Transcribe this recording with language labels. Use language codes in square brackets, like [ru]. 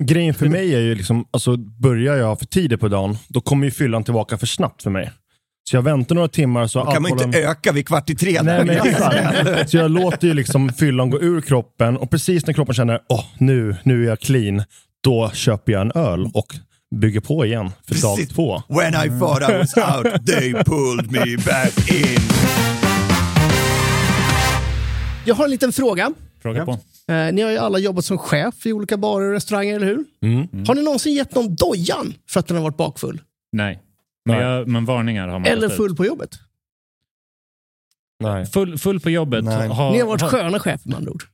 [sv] Grejen för mig är ju liksom, alltså, börjar jag för tidigt på dagen, då kommer ju fyllan tillbaka för snabbt för mig. Så jag väntar några timmar. Så kan alkoholen... man inte öka vid 2:15. Nej, men så jag låter ju liksom fyllan gå ur kroppen. Och precis när kroppen känner, åh, nu är jag clean. Då köper jag en öl och bygger på igen för dag två. [en] When I thought I was out, they pulled me back in. [sv] Jag har en liten fråga. Fråga på. Ni har ju alla jobbat som chef i olika barer och restauranger, eller hur? Mm. Har ni någonsin gett någon dojan för att den har varit bakfull? Nej. Men varningar har man. Eller full på jobbet? Nej. Full på jobbet. Nej. Ni har varit sköna chef med andra ord.